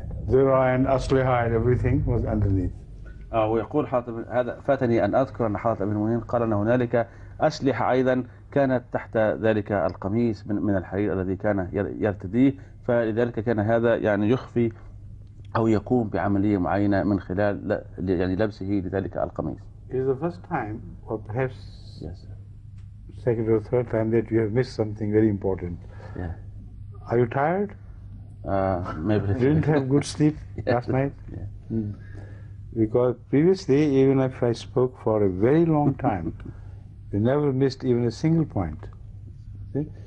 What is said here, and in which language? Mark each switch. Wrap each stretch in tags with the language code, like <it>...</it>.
<en>Dura and asliha and everything was underneath.</en> <ar>ويقول حاطب هذا فاتني أن أذكر أن حاطب ابن المؤمنين قال أن هنالك أسلحة أيضا كانت تحت ذلك القميص من الحرير الذي كان يرتديه، فلذلك كان هذا يعني يخفي أو يقوم بعملية معينة من خلال يعني لبسه لذلك القميص.</ar> <en>It is the first time, or perhaps yes, second or third time, that you have missed something very important. Yeah. Are you tired? Maybe. Didn't have good sleep last night? Yeah. Because previously, even if I spoke for a very long time, you never missed even a single point. See?</en>